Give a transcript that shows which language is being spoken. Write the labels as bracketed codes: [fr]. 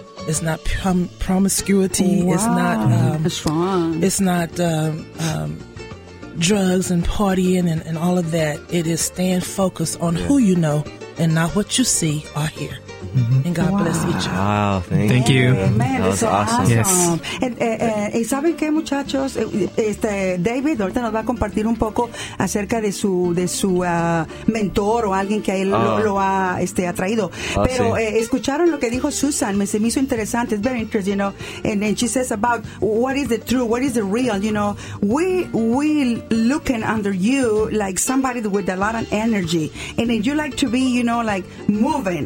[en] It's not promiscuity. Wow. It's not drugs and partying and all of that. It is staying focused on who you know and not what you see or hear. Mm-hmm. And God bless each other. Wow, thank you. Man, that was awesome. Yes. [es] Y saben qué, muchachos, David ahorita nos va a compartir un poco acerca de su mentor o alguien que a él lo ha atraído. Pero escucharon lo que dijo Susan, se me hizo interesante. [en] It's very interesting, you know. And she says about what is the true, what is the real, you know. We looking under you like somebody with a lot of energy, and you like to be, you know, like moving.